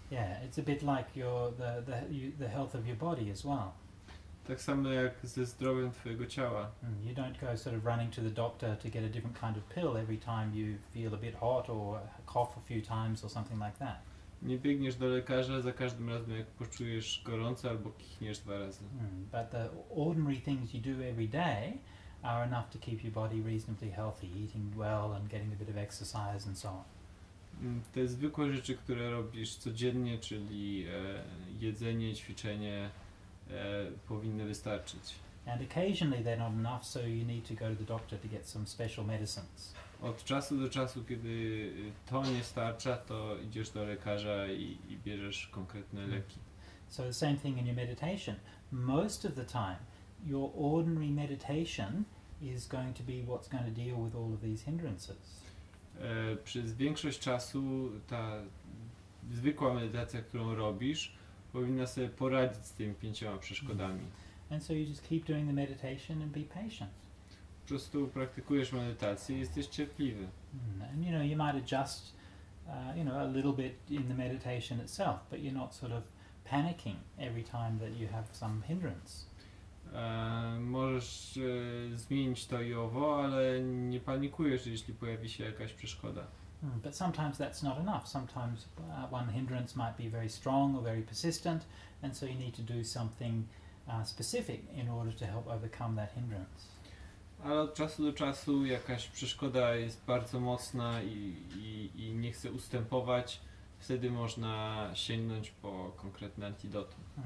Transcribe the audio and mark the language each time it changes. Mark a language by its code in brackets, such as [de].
[en] Yeah, it's a bit like the health of your body as well. [pl] Tak samo jak ze zdrowiem twojego ciała. [en] You don't go sort of running to the doctor to get a different kind of pill every time you feel a bit hot or cough a few times or something like that. [pl] Nie biegniesz do lekarza za każdym razem, jak poczujesz gorąco albo kichniesz dwa razy. [en] But the ordinary things you do every day are enough to keep your body reasonably healthy, eating well and getting a bit of exercise and so on. [pl] Te zwykłe rzeczy, które robisz codziennie, czyli jedzenie, ćwiczenie, powinny wystarczyć. [en] And occasionally they're not enough, so you need to go to the doctor to get some special medicines. [pl] Od czasu do czasu, kiedy to nie starcza, to idziesz do lekarza i bierzesz konkretne leki. [en] So the same thing in your meditation. Most of the time, your ordinary meditation is going to be what's going to deal with all of these hindrances. [pl] Przez większość czasu ta zwykła medytacja, którą robisz, powinna sobie poradzić z tymi pięcioma przeszkodami. [en] And so you just keep doing the meditation and be patient. [pl] Po prostu praktykujesz medytację i jesteś cierpliwy. [en] And you know, you might adjust a little bit in the meditation itself, but you're not sort of panicking every time that you have some hindrance. [pl] Możesz zmienić to i owo, ale nie panikujesz, jeśli pojawi się jakaś przeszkoda. [en] But sometimes that's not enough. Sometimes one hindrance might be very strong or very persistent, and so you need to do something specific in order to help overcome that hindrance. [pl] Ale od czasu do czasu jakaś przeszkoda jest bardzo mocna i nie chce ustępować, wtedy można sięgnąć po konkretne antidotum.